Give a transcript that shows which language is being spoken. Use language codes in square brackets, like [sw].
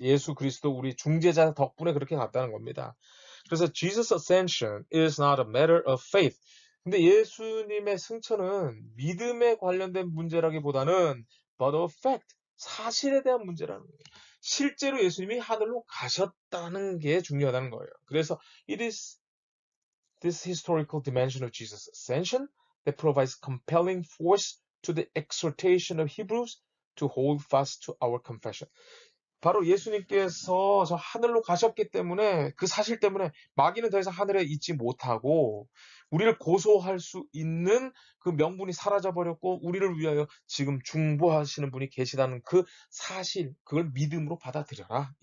[ko] 예수 그리스도 우리 중재자 덕분에 그렇게 갔다는 겁니다. [en] 그래서 Jesus ascension is not a matter of faith. [ko] 근데 예수님의 승천은 믿음에 관련된 문제라기보다는 [en] but of fact, [ko] 사실에 대한 문제라는 거예요. 실제로 예수님이 하늘로 가셨다는 게 중요하다는 거예요. 그래서 [en] it is This historical dimension of Jesus' ascension that provides compelling force to the exhortation of Hebrews to hold fast to our confession. [ko] 바로 예수님께서 저 하늘로 가셨기 때문에 그 사실 때문에 마귀는 더 이상 하늘에 있지 못하고 우리를 고소할 수 있는 그 명분이 사라져 버렸고 우리를 위하여 지금 중보하시는 분이 계시다는 그 사실, 그걸 믿음으로 받아들여라.